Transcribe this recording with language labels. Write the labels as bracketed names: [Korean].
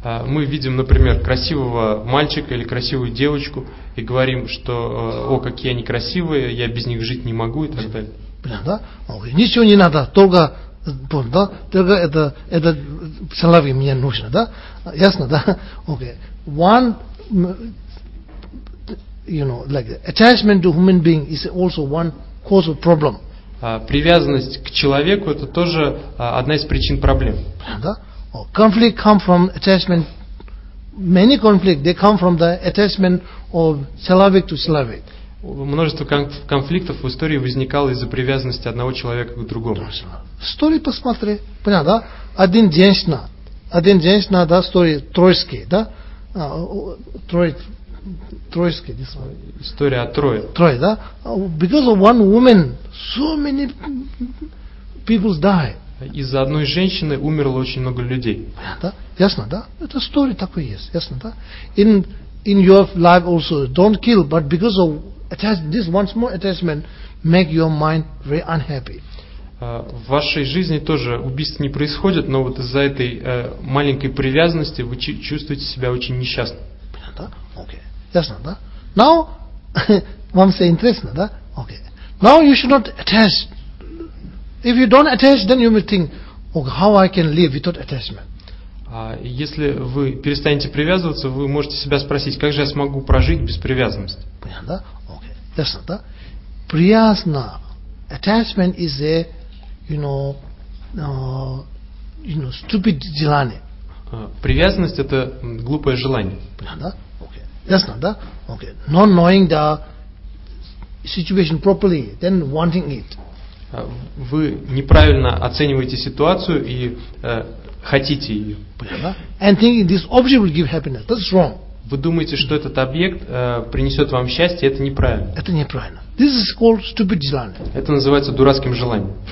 [Russian] Мы видим, например, красивого мальчика или красивую девочку и говорим, что, о, какие они красивые, я без них жить не могу и так далее. Понятно, да? Okay. Ничего не надо, только... Понял, да? Только это человек мне нужно, да? Ясно, да? Okay. [English] One, you know, like attachment to human being is also one cause of problem. [Russian] Привязанность к человеку это тоже одна из причин проблем. Понял, да? [English] Conflict come from attachment. Many conflict they come from the attachment of человек to человек. [Russian] Множество конфликтов в истории возникало из-за привязанности одного человека к другому. Историю посмотри. Понятно, да? Один женщина. Один женщина, да, история Троицкой, да? [English] Троицкой, this one. [Russian] История о Трое. Трое, да? [English] Because of one woman, so many people die. [Russian] Из-за одной женщины умерло очень много людей. Понятно, да? Ясно, да? Это история такой есть. Ясно, да? [English] In your life also, don't kill, but because of this one small attachment make your mind very unhappy. [Russian] В вашей жизни тоже убийств не происходит, но вот из-за этой маленькой привязанности вы чувствуете себя очень несчастным. Понятно, да? Okay. Ясно, да? Now, вам все интересно, да? [English] Okay. Now you should not attach. If you don't attach, then you will think, okay, how I can live without attachment. [Russian] Если вы перестанете привязываться, вы можете себя спросить, как же я смогу прожить без привязанности? Понятно, да? Ясно, да? Приязна. [English] Attachment is a, you know, stupid желание. [Russian] Привязанность это глупое желание. Понятно, да? Okay. Ясно, да? Okay. [English] Not knowing the situation properly, then wanting it. [Russian] Вы неправильно оцениваете ситуацию и хотите ее. Понятно, да? [English] And thinking this object will give happiness. That's wrong. [Russian] Вы думаете, что этот объект принесет вам счастье, это неправильно. Это неправильно. [English] This is called stupid desire. [Russian] Это называется дурацким желанием.